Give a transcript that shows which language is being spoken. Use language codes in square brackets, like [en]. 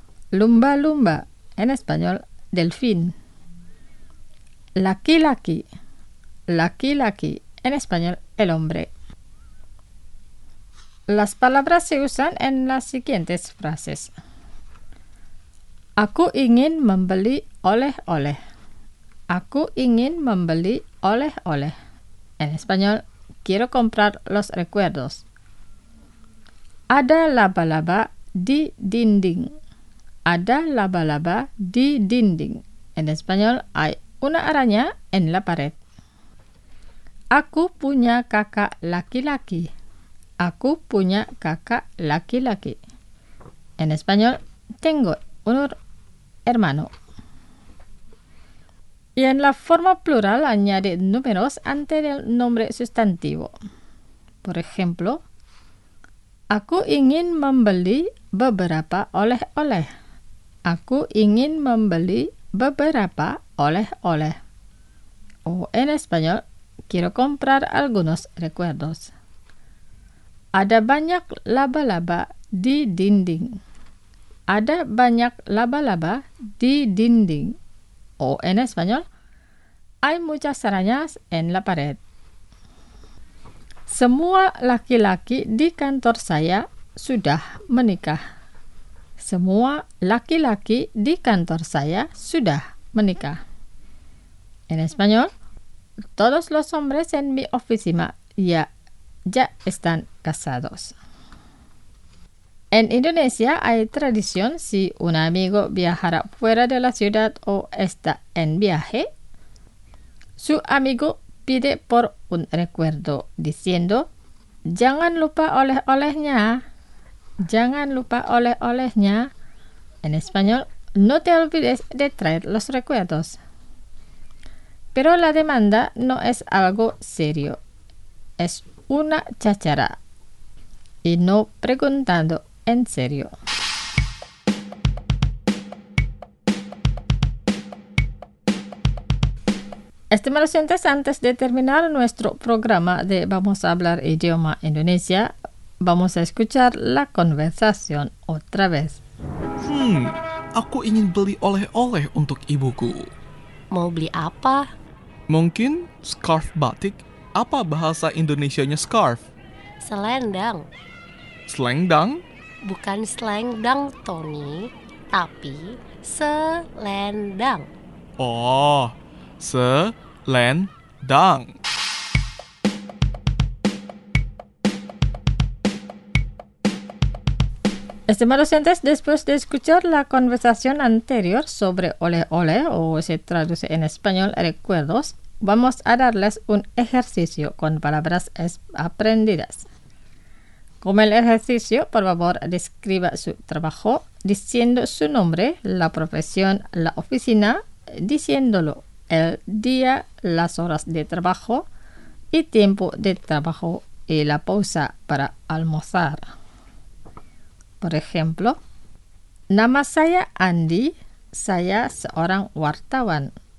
[id] Lumba lumba, [es] en español delfín. [id] Laki laki. Laki laki, [es] en español el hombre. Las palabras se usan en las siguientes frases. [id] Aku ingin membeli oleh oleh. Aku ingin membeli oleh oleh, [es] en español quiero comprar los recuerdos. [id] Ada laba-laba di dinding. Ada laba-laba di dinding. [es] En español, hay una araña en la pared. [id] Aku punya kakak laki-laki. Aku punya kakak laki-laki. [es] En español, tengo un hermano. Y en la forma plural añade números antes del nombre sustantivo. Por ejemplo, [id] aku ingin membeli beberapa oleh-oleh. Aku ingin membeli beberapa oleh-oleh. [es] O en español, quiero comprar algunos recuerdos. [id] Ada banyak laba-laba di dinding. Ada banyak laba-laba di dinding. [es] O en español, hay muchas arañas en la pared. [id] Semua laki-laki di kantor saya sudah menikah. Semua laki-laki di kantor saya sudah menikah. [es] En español, todos los hombres en mi oficina ya están casados. En Indonesia hay tradición si un amigo viajara fuera de la ciudad o está en viaje. Su amigo pide por un recuerdo diciendo, [id] jangan lupa oleh-olehnya. Jangan lupa oleh-olehnya. [es] En español, no te olvides de traer los recuerdos. Pero la demanda no es algo serio. Es una cháchara. Y no preguntando en serio. Estimados oyentes, antes de terminar nuestro programa de Vamos a hablar idioma Indonesia, vamos a escuchar la conversación otra vez. [id] Aku ingin beli oleh-oleh untuk ibuku. Mau beli apa? Mungkin scarf batik. Apa bahasa Indonesianya scarf? Selendang. Selendang? Bukan selendang, Tony, tapi selendang. Oh, selendang. [es] Estimados oyentes, después de escuchar la conversación anterior sobre ole-ole, o se traduce en español recuerdos, vamos a darles un ejercicio con palabras aprendidas. Como el ejercicio, por favor, describa su trabajo diciendo su nombre, la profesión, la oficina, diciéndolo, el día, las horas de trabajo y tiempo de trabajo y la pausa para almorzar. Por ejemplo, [id] nama saya Andy, saya seorang wartawan.